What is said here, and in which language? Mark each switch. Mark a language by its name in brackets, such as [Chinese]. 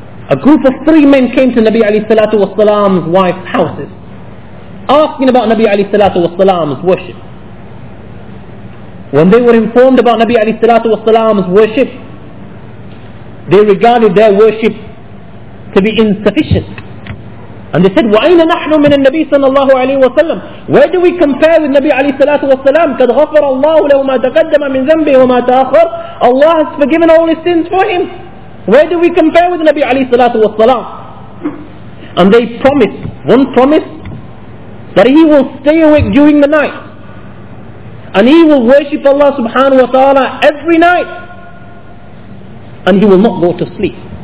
[English] A group of three men came to Nabi alayhi salatu wasalam's wife's houses. Asking about Nabi alayhi salatu wasalam's worship. When they were informed about Nabi alayhi salatu wasalam's worship, they regarded their worship to be insufficient. [Arabic] And they said, وَأَيْنَ نَحْنُ مِنَ النَّبِيِّ صَلَّى اللَّهُ عَلَيْهِ وَسَلَّمَ [English] Where do we compare with Nabi [Arabic] عليه الصلاة والسلام? قَدْ غَفَرَ اللَّهُ لَهُ مَا تَقَدَّمَ مِنْ ذَنْبِهِ وَمَا تَأَخَرَ [English] Allah has forgiven all his sins for him. Where do we compare with Nabi عليه الصلاة والسلام? And they promised, one promise, that he will stay awake during the night. And he will worship Allah subhanahu wa ta'ala every night. And he will not go to sleep.